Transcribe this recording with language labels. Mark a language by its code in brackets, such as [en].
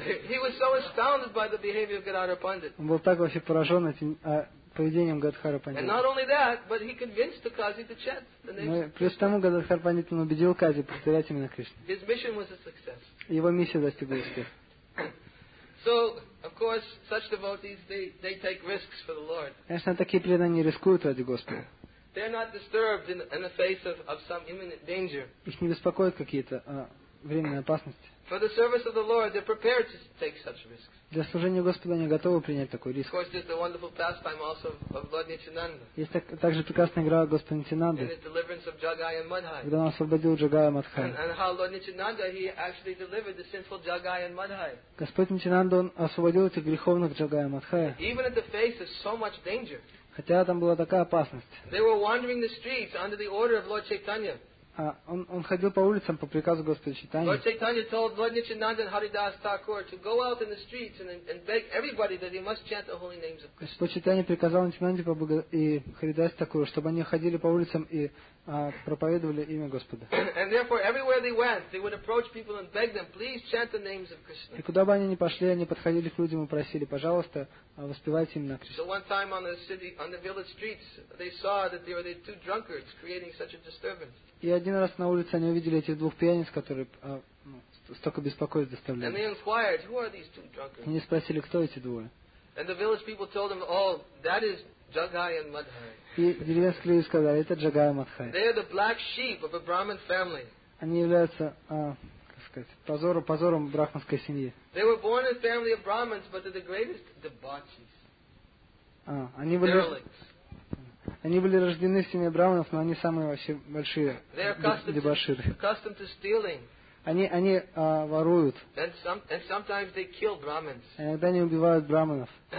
[en] He was so astounded by the behavior of Gadadhar Pandit. [ru] Он был так вообще поражен этим поведением Гадхара Пандита. [en] And not only that, but he convinced the Kazi to chant the name. [ru] Плюс тому Гадхар Пандит убедил Кази повторять имя Кришны. [en] His mission was a success. [ru] Его миссия достигла успеха. [en] So, of course, such devotees they take risks for the Lord. [ru] Конечно, такие преданные рискуют ради Господа. [en] They're not disturbed in the face of some imminent danger. [ru] Их не беспокоят какие-то временные опасности. [en] For the service of the Lord, they're prepared to take such risks. [ru] Для служения Господу они готовы принять такой риск. [en] Of course, there's the wonderful pastime also of Lord Nityananda. [ru] Есть также прекрасная игра Господа Нитянанды. [en] And the deliverance of Jagaya and Madhai. [ru] Когда он освободил Джагая и Мадхай. [en] And how Lord Nityananda he actually delivered the sinful Jagaya and Madhai. [ru] Господь Нитянанда он освободил этих греховных Джагая и Мадхая. [en] Even in the face of so much danger. [ru] Хотя там была такая опасность. [en] They were wandering the streets under the order of Lord Chaitanya. [ru] Он ходил по улицам по приказу Господа Чайтаньи. [en] Lord Chaitanya told Lord Nityananda and Haridas Thakur to go out in the streets and beg everybody that he must chant the holy names of Krishna. [ru] Господь Чайтанья приказал Нитянанде и Харидас Такуру, чтобы они ходили по улицам и проповедовали имя Господа. [en] And therefore, everywhere they went, they would approach people and beg them, please chant the names of Krishna. [ru] И куда бы они ни пошли, они подходили к людям и просили, пожалуйста, воспевайте имя Кришны. [en] So one time on the city, on the village streets, they saw that there were the two drunkards creating such a disturbance. [ru] И один раз на улице они увидели этих двух пьяниц, которые столько беспокойств доставляли. [en] And they inquired, who are these two drunkards? [ru] Они спросили, кто эти двое. [en] And the village people told them, oh, that is Jagai and Madhai. [ru] И деревенские люди сказали, это Джагай и Мадхай. [en] They are the black sheep of a Brahmin family. [ru] Они являются, как сказать, позором брахманской семьи. [en] They were born in a family of Brahmins, but they're the greatest debauchees. [ru] Они были рождены в семье брахманов, но они самые вообще большие дебоширы. Они воруют. Иногда они убивают брахманов.